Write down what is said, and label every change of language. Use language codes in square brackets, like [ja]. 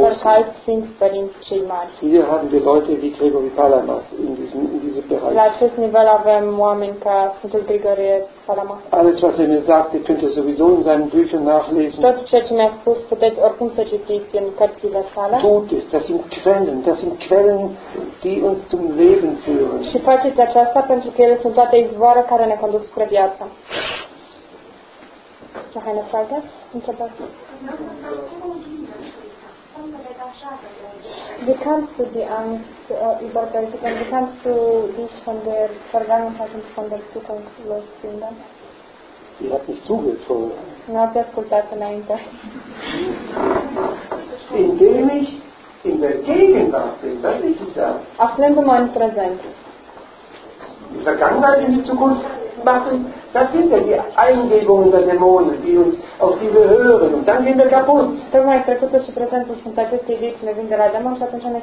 [ro] La fel ca alți Sfinți Părinți cei Mari. [de] Hier haben wir Leute wie Gregory Palamas in diesem Bereich. [ro] La acest nivel avem oameni ca Sfântul Grigorie Palamas. [de] Alles, was er mir sagte, könnt ihr sowieso in seinen Büchern nachlesen. [ro] Tot ce mi-a spus, puteți oricum să citiți în cărțile sale. [de] Tut ist das. Das sind Quellen, die uns zum Leben führen. [ro] Și faceți aceasta pentru că ele sunt toate izvoare care ne conduc spre viață. Ce hai ne frate? Întrebați. [de] Wie kannst du die Angst überwältigen? Wie kannst du dich von der Vergangenheit und von der Zukunft losfinden? Sie hat nicht zugehört vorher. [ro] N-ați ascultat înainte. [de] Indem ich in der Gegenwart bin, das ist es ja. [ro] Aflându-mă în prezent. [de] Die Vergangenheit in die Zukunft machen, das sind ja die Eingebungen der Dämonen, die uns, auf die wir hören, und dann gehen wir kaputt. [ro] Tocmai trecutul și prezentul sunt aceste idei ce ne vin de la demon și atunci ne